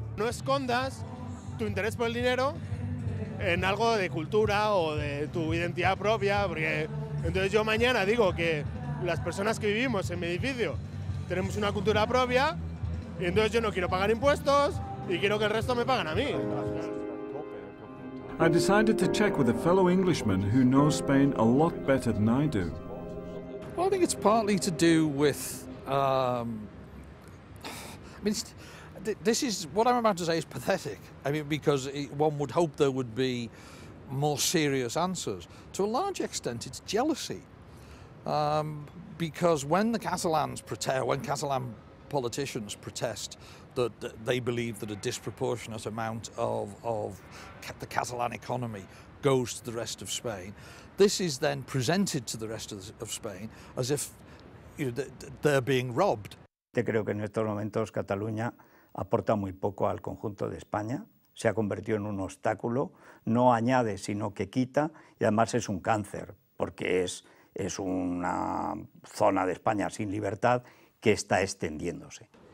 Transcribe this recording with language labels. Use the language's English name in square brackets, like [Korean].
[Spanish] No escondas tu interés por el dinero en algo de cultura o de tu identidad propia, porque entonces yo mañana digo que las personas que vivimos en mi edificio tenemos una cultura propia y entonces yo no quiero pagar impuestos y quiero que el resto me paguen a mí. [English] I decided to check with a fellow Englishman who knows Spain a lot better than I do. Well, I think it's partly to do with, this is what I'm about to say is pathetic. I mean, because one would hope there would be more serious answers. To a large extent, it's jealousy. Because when the Catalans protest, when Catalan politicians protest that they believe that a disproportionate amount of the Catalan economy goes to the rest of Spain, this is then presented to the rest of Spain as if, you know, they're being robbed. [Spanish] Yo creo que en estos momentos Cataluña aporta muy poco al conjunto de España, se ha convertido en un obstáculo, no añade sino que quita, y además es un cáncer, porque es una zona de España sin libertad que está extendiéndose.